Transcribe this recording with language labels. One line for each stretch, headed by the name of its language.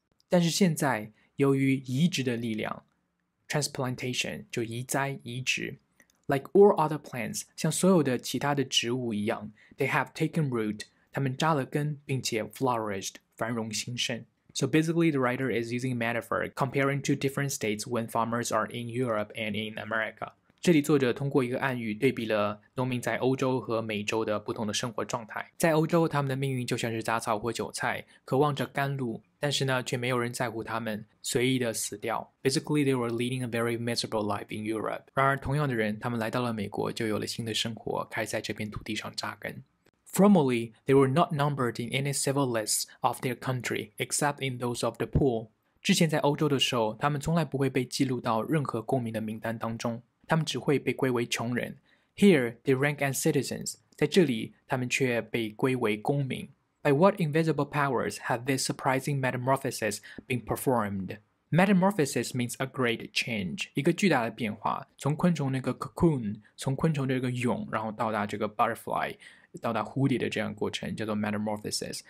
Chinese: 但是现在, 由于移植的力量, transplantation, 就移栽移植,
English: like all other plants,
Chinese: 像所有的其他的植物一样,
English: they have taken root,
Chinese: 他们扎了根, 并且 flourished, 繁荣兴盛.
English: So basically, the writer is using a metaphor comparing two different states when farmers are in Europe and in America.
Chinese: 这里作者通过一个暗喻对比了农民在欧洲和美洲的不同的生活状态。在欧洲，他们的命运就像是杂草或韭菜，渴望着甘露，但是呢，却没有人在乎他们，随意的死掉。
English: Basically, they were leading a very miserable life in Europe.
Chinese: 然而，同样的人，他们来到了美国，就有了新的生活，开始在这片土地上扎根。
English: Formally, they were not numbered in any civil lists of their country, except in those of the poor.
Chinese: 之前在欧洲的时候，他们从来不会被记录到任何公民的名单当中。他们只会被归为穷人。
English: Here, they rank as citizens.
Chinese: 在这里，他们却被归为公民。
English: By what invisible powers have this surprising metamorphosis been performed? Metamorphosis means a great change.
Chinese: 一个巨大的变化，从昆虫那个 cocoon, 从昆虫这个蛹，然后到达这个 butterfly, 到达蝴蝶的这样的过程，叫做 metamorphosis.